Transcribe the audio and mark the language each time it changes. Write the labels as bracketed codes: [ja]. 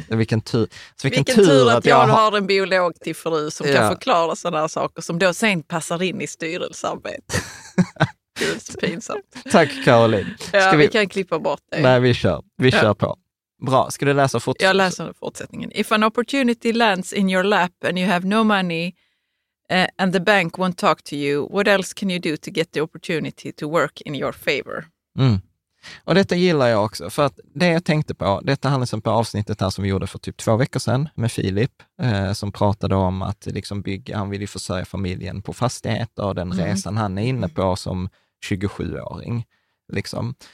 [sv] Vilken tur att jag har en biolog till fru som, ja, kan förklara sådana här saker som då sen passar in i styrelsearbetet. Tack Caroline. Ja, vi kan klippa bort det. Nej, vi kör på. Bra, ska du läsa fortsättningen? Jag läser fortsättningen. [en] If an opportunity lands in your lap and you have no money and the bank won't talk to you, what else can you do to get the opportunity to work in your favor? Mm. [sv] Och detta gillar jag också, för att det jag tänkte på, detta handlar som på avsnittet här som vi gjorde för typ 2 veckor sedan med Filip, som pratade om att liksom bygga, han vill ju försörja familjen på fastigheter och den resan han är inne på som 27-åring. Liksom.